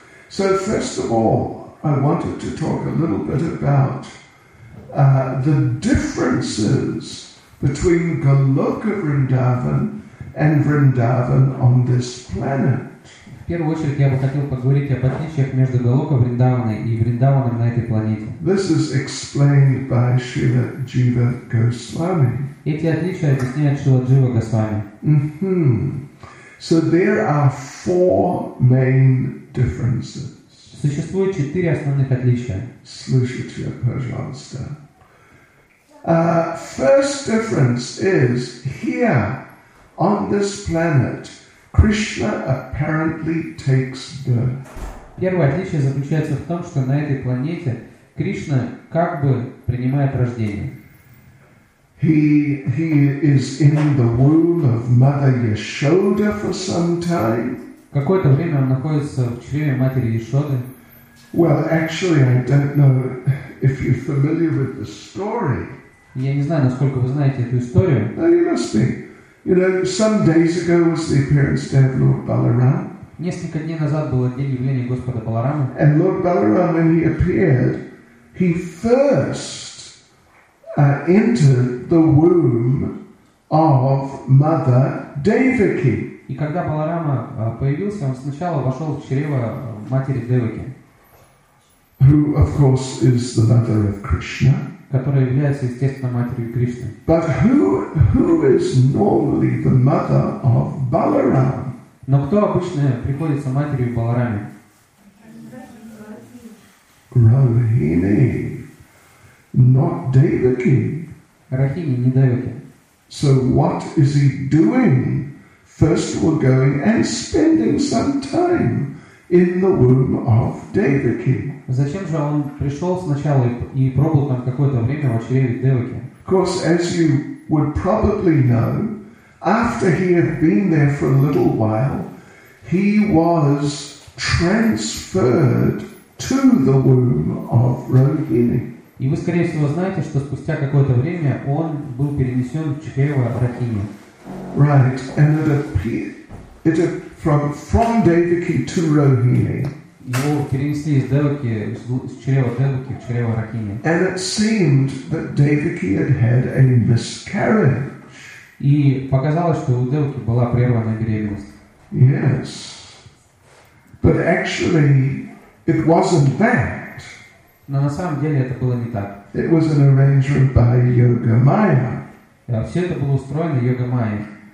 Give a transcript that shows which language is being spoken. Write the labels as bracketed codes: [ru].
[en] So first of all, I wanted to talk a little bit about the differences between Goloka Vrindavan and Vrindavan on this planet. [ru] В первую очередь, я бы хотел поговорить об отличиях между Голока Вриндаваной и Вриндаваном на этой планете. [en] This is explained by Shiva Jiva Goswami. [ru] Эти отличия объясняет Шрила Джива Госвами. [en] Mm-hmm. So there are four main differences. [ru] Существует четыре основных отличия. Слушайте, пожалуйста. [en] First difference is here on this planet. Krishna apparently takes birth. [ru] Первое отличие заключается в том, что на этой планете Кришна как бы принимает рождение. [en] He is in the womb of Mother Yashoda for some time. [ru] Какое-то время он находится в чреве матери Яшоды. [en] Well, actually, I don't know if you're familiar with the story. [ru] Я не знаю, насколько вы знаете эту историю. [en] No, you must be. You know, some days ago was the appearance day of Lord Balaram. [ru] Несколько дней назад был день явления Господа Баларама. [en] And Lord Balaram, when he appeared, he first entered the womb of Mother Devaki. [ru] И когда Баларама появился, он сначала вошел в чрево матери Деваки. [en] Who, of course, is the mother of Krishna. [ru] Которая является, естественно, матерью Кришны. [en] But who is normally the mother of Balaram? [ru] Но кто обычно приходится матерью Баларами? [en] Rohini, not Devaki. [ru] Rohini, не Devaki. [en] So what is he doing? First of all, going and spending some time in the womb of Devaki. [ru] Зачем же он пришел сначала и пробыл там какое-то время в чреве Деваки? [en] Of course, as you would probably know, after he had been there for a little while, he was transferred to the womb of Rohini. [ru] И вы, скорее всего, знаете, что спустя какое-то время он был перенесен в чрево Рохини. [en] Right, and it appeared from Devaki to Rohini. [ru] Его перенесли из Деваки, из чрева Деваки в чрево Рохини. [en] And it seemed that Devaki had had a miscarriage. [ru] И показалось, что у Деваки была прерванная беременность. [en] Yes. But actually, it wasn't that. [ru] Но на самом деле это было не так. [en] It was an arrangement by Yogamaya. [ru] Да, все это было устроено Йогамайей.